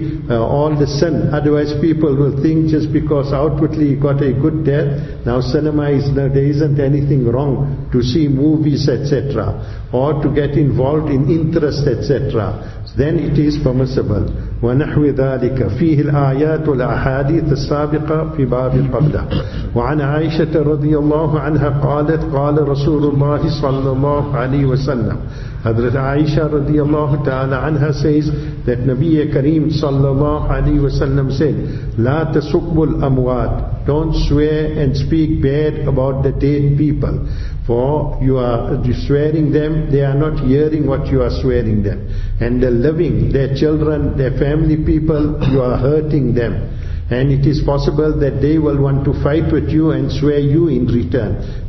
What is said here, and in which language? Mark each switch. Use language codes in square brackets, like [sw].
[en] All the sin. Otherwise people will think, just because outwardly he got a good death, now cinema is, now there isn't anything wrong to see movies, etc., or to get involved in interest, etc., then it is permissible. [ar] ونحو ذلك فيه الآيات والأحاديث السابقة في باب القبلة. وعن عائشة رضي الله عنها قالت قال رسول الله صلى الله عليه وسلم. [en] Hazrat Aisha رضي الله تعالى عنها says that نبي كريم صلى الله عليه وسلم said [ar] لا تسبوا الأموات. [en] Don't swear and speak bad about the dead people. For you are swearing them, they are not hearing what you are swearing them. And the living, their children, their family people, you are hurting them. And it is possible that they will want to fight with you and swear you in return.